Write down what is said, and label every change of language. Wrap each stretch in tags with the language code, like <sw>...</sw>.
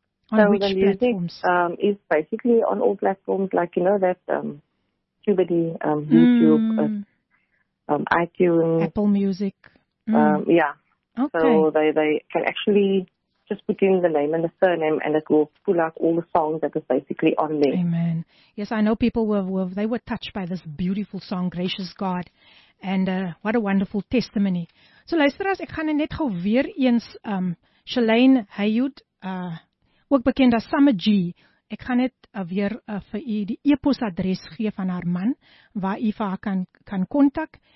<en>So the music is basically on all platforms, like, you know, that Tubidy, YouTube, iTunes. Apple Music. So they can actually just put in the name and the surname, and it will pull out all the songs that are basically on there. Amen. Yes, I know people were touched by this beautiful song, Gracious God. And what a wonderful testimony.</en> <af>So, luisteraars, ek gaan net gauw weer eens Shalane Hayud, ook bekend as Summer G. Ek gaan net weer vir u die e-posadres gee van haar man, waar u vir haar kan kontak.</af>